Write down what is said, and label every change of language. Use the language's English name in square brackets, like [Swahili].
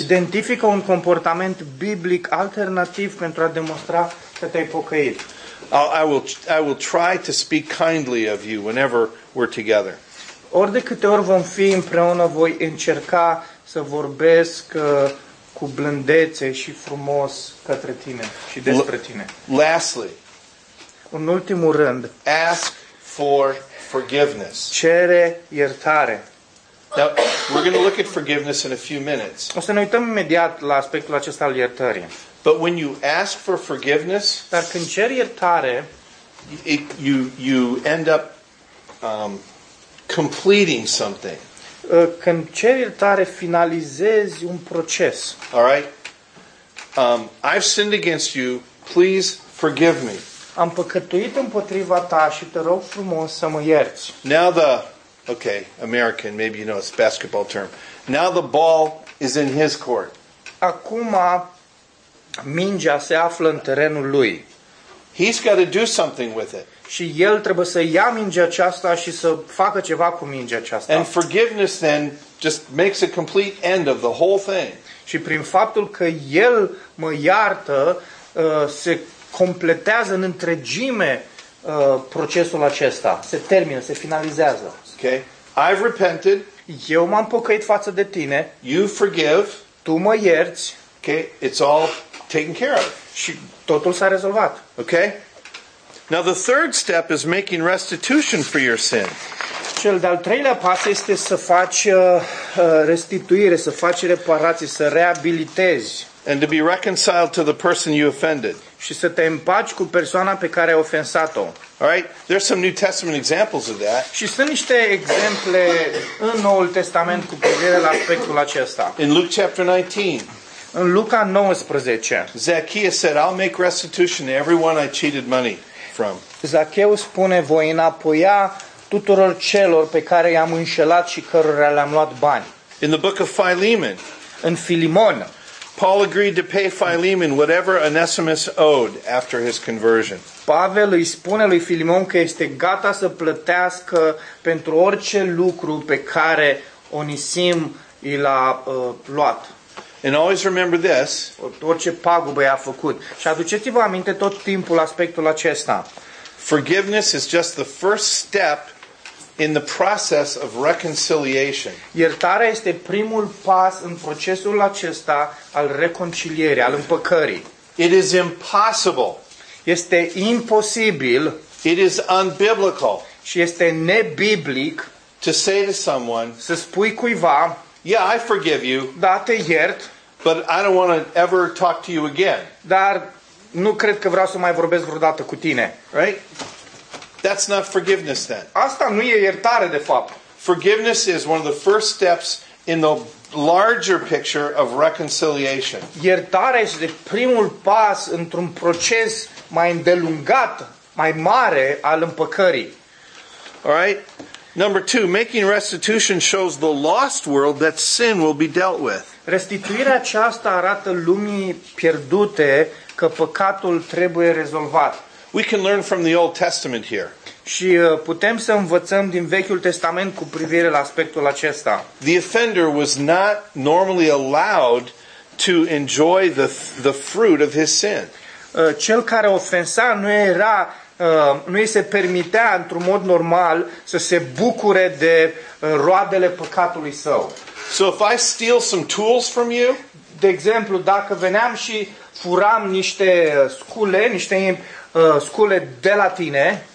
[Romanian] Identifică un comportament biblic alternativ pentru a demonstra că te-ai pocăit. [English] I will try to speak kindly of you whenever we're together. [Romanian] Ori de câte ori vom fi împreună, voi încerca să vorbesc cu blândețe și frumos către tine și despre tine. [English] Lastly, [Romanian] în ultimul rând, [English] ask for forgiveness. [Romanian] Cere iertare. [English] Now, we're going to look at forgiveness in a few minutes. [Romanian] O să ne uităm imediat la aspectul acesta al iertării. [English] But when you ask for forgiveness, [Romanian] dar când ceri iertare, [English] you end up completing something. [Romanian] Când ceri iertare, finalizezi un proces. [English] All right? I've sinned against you. Please forgive me. [Romanian] Am păcătuit împotriva ta și te rog frumos să mă ierți. [English] Now the, okay, American, maybe you know it's a basketball term. Now the ball is in his court. [Romanian] Acum mingea se află în terenul lui. [English] He's got to do something with it. [Romanian] Și el trebuie să ia mingea aceasta și să facă ceva cu mingea aceasta. [English] And forgiveness then just makes a complete end of the whole thing. [Romanian] Și prin faptul că el mă iartă, se completează în întregime procesul acesta. Se termină, se finalizează. [English] Okay. I've repented. [Romanian] Eu m-am pocăit față de tine. [English] You forgive. [Romanian] Tu mă ierți. [English] Okay. It's all taken care of. [Romanian] Și totul s-a rezolvat. [English] Okay. Now the third step is making restitution for your sin. [Romanian] Cel de-al treilea pas este să faci restituire, să faci reparații, să reabilitezi. [English] And to be reconciled to the person you offended. [Romanian] Și să te împaci cu persoana pe care ai ofensat-o. [English] All right, there's some New Testament examples of that. [Romanian] Și sunt niște exemple în Noul Testament cu privire la aspectul acesta. [English] In Luke chapter 19. [Romanian] În Luca 19. [English] Zacchaeus said, I'll make restitution to everyone I cheated money from. [Romanian] Zacheu spune, voi înapoia tuturor celor pe care i-am înșelat și cărora le-am luat bani. [English] In the book of Philemon. [Romanian] În Filimon. [English] Paul agreed to pay Philemon whatever Onesimus owed after his conversion. [Romanian] Pavel îi spune lui Filimon că este gata să plătească pentru orice lucru pe care Onisim îl a luat. [English] And always remember this. [Romanian] Orice pagubă i-a făcut. Și aduceți-vă aminte tot timpul aspectul acesta. [English] Forgiveness is just the first step in the process of reconciliation. [Romanian] Iertarea este primul pas în procesul acesta al reconcilierii, al împăcării. [English] It is impossible. [Romanian] Este imposibil. [English] It is unbiblical. [Romanian] Și este nebiblic [English] to say to someone, [Romanian] să spui cuiva, [English] yeah, I forgive you. [Romanian] Da, te iert. [English] But I don't want to ever talk to you again. [Romanian] Dar nu cred că vreau să mai vorbesc vreodată cu tine. [English] Right? That's not forgiveness then. [Romanian] Asta nu e iertare de fapt. [English] Forgiveness is one of the first steps in the larger picture of reconciliation. [Romanian] Iertarea este primul pas într-un proces mai îndelungat, mai mare al împăcării. [English] All right? Number two, making restitution shows the lost world that sin will be dealt with. [Romanian] Restituirea aceasta arată lumii pierdute că păcatul trebuie rezolvat. [English] We can learn from the Old Testament here. [Romanian] Și putem să învățăm din Vechiul Testament cu privire la aspectul acesta. [English] The offender was not normally allowed to enjoy the fruit of his sin. [Romanian] Cel care ofensa nu era nu îi se permitea într-un mod normal să se bucure de roadele păcatului său. [English] So if I steal some tools from you, [Romanian] de exemplu, dacă veneam și furam niște scule, niște scule de la tine,